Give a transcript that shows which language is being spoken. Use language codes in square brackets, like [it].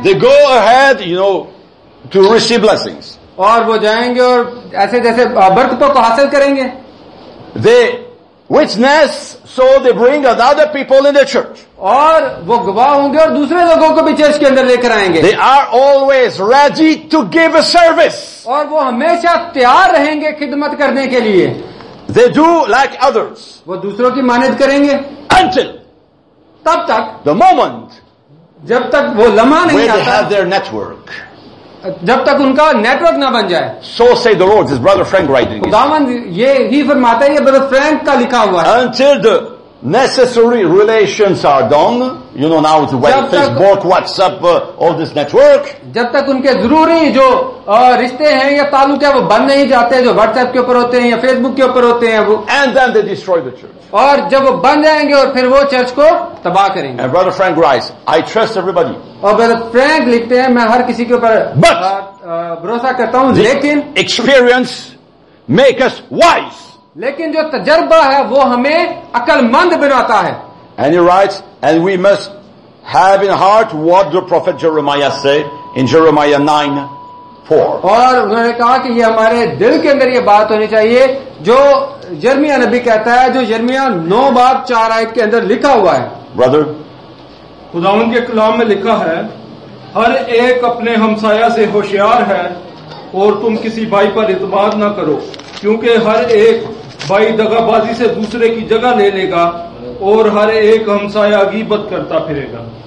[en] They go ahead, you know, to receive blessings. [hi] और वो जाएंगे और ऐसे जैसे बरकतों को हासिल करेंगे. [en] They witness, so they bring other people in the church. [hi] और वो गवाह होंगे और दूसरे लोगों को भी चर्च के अंदर लेकर आएंगे. [en] They are always ready to give a service. [hi] और वो हमेशा तैयार रहेंगे खिदमत करने के लिए. [en] They do like others. [hi] वो दूसरों की मानद करेंगे. [en] Until [hi] तब तक. [en] The moment [hi] जब तक वो लम्हा नहीं [en] where [hi] आता. [en] They have their network. [hi] जब तक उनका नेटवर्क ना बन जाए. [en] So say the Lord, this brother Frank writing. [hi] दामन ये ही फरमाता है, ये brother Frank का लिखा हुआ है. [en] Until the necessary relations are done, you know now it's web, Facebook, WhatsApp, all this network. [hi] जब तक उनके जरूरी जो रिश्ते हैं या ताल्लुक है वो बंद नहीं जाते, जो WhatsApp के ऊपर होते हैं या Facebook के ऊपर होते हैं वो. [en] And then they destroy the church. [hi] और जब वो बंद जाएंगे और फिर वो चर्च को तबाह करेंगे. [en] And brother Frank writes, I trust everybody. [hi] और brother Frank लिखते हैं, मैं हर किसी के ऊपर भरोसा करता हूँ, लेकिन [en] experience make us wise. [hi] लेकिन जो तजर्बा है वो हमें अकलमंद बनाता है. [en] And he writes, and we must have in heart what the prophet Jeremiah said in Jeremiah 9:4. [hi] और उन्होंने कहा कि ये हमारे दिल के अंदर ये बात होनी चाहिए जो यर्मिया नबी कहता है, जो यर्मिया 9:4 के अंदर लिखा हुआ है. [en] brother, [hi] खुदावंद के कलाम में लिखा है, हर एक अपने हमसाया से होशियार है और तुम किसी भाई पर इत्माद ना करो, क्योंकि हर एक भाई दगाबाजी से दूसरे की जगह ले लेगा और हर एक हमसाया गीबत करता फिरेगा.